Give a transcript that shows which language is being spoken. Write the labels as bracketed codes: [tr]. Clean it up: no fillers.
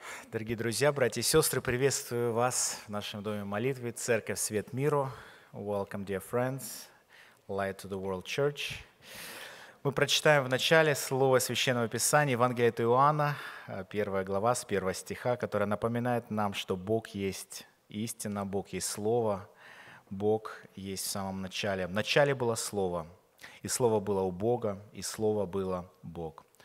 [ru] Дорогие друзья, братья и сестры, приветствую вас в нашем доме молитвы, Церковь Свет Миру. [en] Welcome, dear friends, Light to the World Church. [ru] Мы прочитаем в начале слово Священного Писания, Евангелие от Иоанна, 1 глава, с 1 стиха, которое напоминает нам, что Бог есть истина, Бог есть Слово, Бог есть в самом начале. В начале было Слово, и Слово было у Бога, и Слово было Бог.